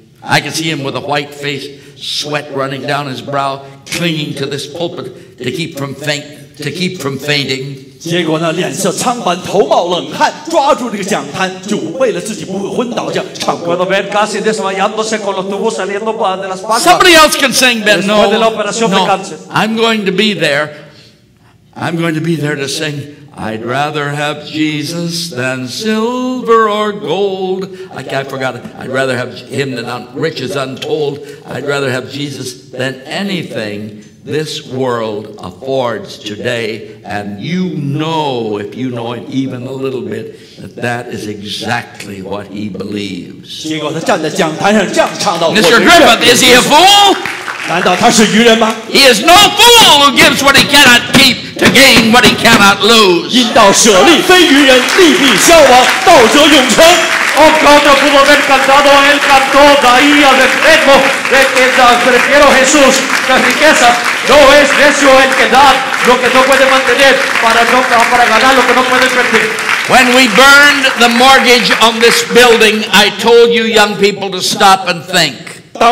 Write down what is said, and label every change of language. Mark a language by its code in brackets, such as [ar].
[en] I can see him with a white face, sweat running down his brow, clinging to this pulpit to keep from fainting. [zh] 结果呢，脸色苍白，头冒冷汗， 抓住这个讲坛， 就为了自己不会昏倒， 这样唱歌。 [en] Somebody else can sing, but no, no. I'm going to be there to sing. I'd rather have Jesus than silver or gold. I forgot it. I'd rather have him than riches untold. I'd rather have Jesus than anything this world affords today. And you know, if you know him even a little bit, that that is exactly what he believes. Mr. Griffith, is he a fool? [zh] 难道他是愚人吗? [en] He is no fool who gives what he cannot keep to gain what he cannot lose. [zh] 应道舍利非愚人, 利必消亡, 道则永存。 [en] When we burned the mortgage on this building, I told you young people to stop and think.